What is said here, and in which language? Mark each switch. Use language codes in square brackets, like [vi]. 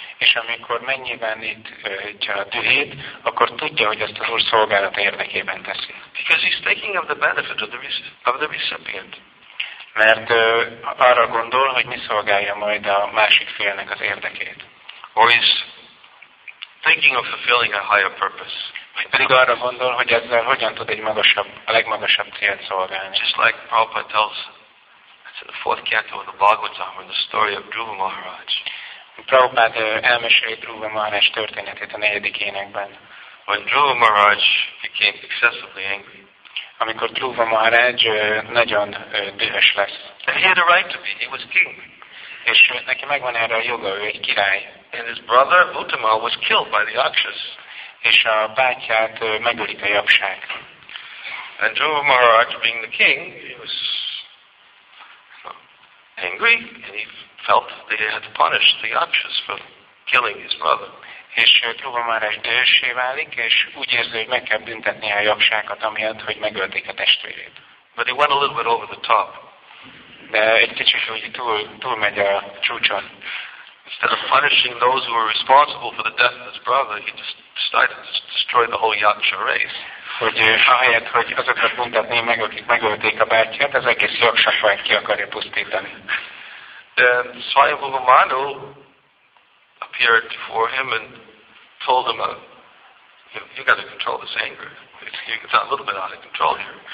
[hu] És amikor megnyilvánítja a dühét, akkor tudja, hogy ezt az Úr szolgálata érdekében teszi. [en] Because he's thinking of the benefit of the recipient. [hu] Mert arra gondol, hogy mi szolgálja majd a másik félnek az érdekét. [en] Or he's thinking of fulfilling a higher purpose. [hu] Vagy pedig arra gondol, hogy ezzel hogyan tud egy magasabb, a legmagasabb célt szolgálni. [en] Just like Prabhupada tells it's in the fourth canto of the Bhagavatam, in the story of Dhruva Maharaj. [hu] Prabhupada elmeséli Dhruva Maharaj történetét a negyedik énekben. [en] When Dhruva Maharaj became excessively angry. [hu] Amikor Dhruva Maharaj nagyon dühös lesz. [en] And he had a right to be, he was king. [hu] És neki megvan erre a joga, ő egy király. [en] And his brother Uttama was killed by the Yakshas. [hu] És a bátyját megölik a japság. [en] And Dhruva Maharaj, being the king, he was angry, and he felt that he had to punish the Yakshas for killing his brother. [hu] És Dhruva Maharaj dühössé válik, és úgy érzi, hogy meg kell büntetni a japságot, amiatt, hogy megölték a testvérét. [en] But he went a little bit over the top. [hu] De egy kicsit úgy túlmegy a csúcson. [en] Instead of punishing those who were responsible for the death of his brother, he just decided to destroy the whole Yaksha race. [hu] Hogy ahelyett, hogy azokat mondhatni meg, akik megölték a bátyját, az egész Yaksha fajt ki akarja pusztítani. [en] And Swayambhuva Manu appeared before him and told him, you got to control this anger. It's a little bit out of control here.